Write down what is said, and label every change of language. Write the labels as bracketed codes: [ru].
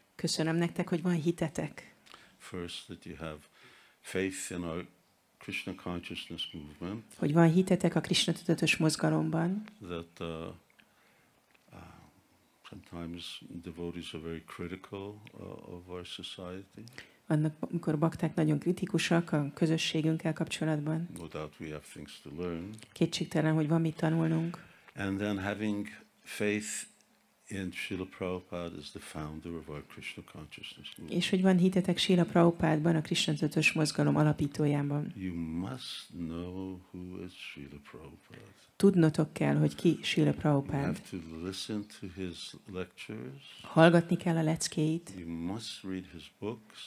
[hu] Köszönöm nektek, hogy van hitetek. [en] First that you have faith in our Krishna consciousness movement. [hu] Hogy van hitetek a Krishna tudatos mozgalomban. [en] That sometimes devotees are very critical of our society. [hu] Annak, amikor bakták nagyon kritikusak a közösségünkkel kapcsolatban. [en] No doubt we have things to learn. [hu] Kétségtelen, hogy van mit tanulnunk. [en] And then having faith in Srila Prabhupada as the founder of our Krishna consciousness movement. [hu] És hogy van hitetek Srila Prabhupádban, a Krishna tudatos mozgalom alapítójában. [en] You must know who is Srila Prabhupada. [hu] Tudnotok kell, hogy ki Srila Prabhupád. [en] You have to listen to his lectures. [hu] Hallgatni kell a leckéit. [en] You must read his books.